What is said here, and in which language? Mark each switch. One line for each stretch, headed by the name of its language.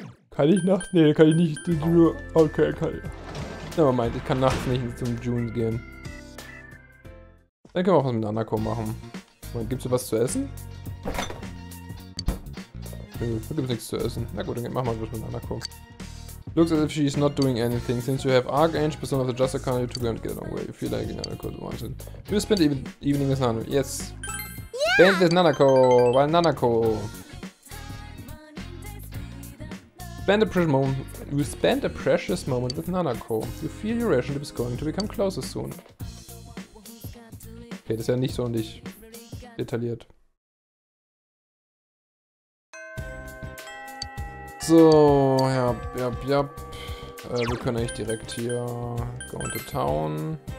German: Kann ich nachts? Nee, kann ich nicht. Okay, kann ich.
English: Never mind,
German: ich kann nachts nicht zum June gehen. Dann können wir auch was mit Nanako machen. Moment, gibt's hier was zu essen? Da gibt's nichts zu essen. Na gut, dann machen wir was mit Nanako.
English: Looks as if she is not doing anything. Since you have Archangel, Persona of the Jester Arcana, you two can get along well. You feel like Nanako is wanted. Do you spend the evening with Nanako? Yes. Yeah. Spend with Nanako! While Nanako! You spend a precious moment with Nanako. You feel your relationship is going to become closer soon.
German: Okay, das ist ja nicht so nicht detailliert. So, wir können eigentlich direkt hier
English: go into town.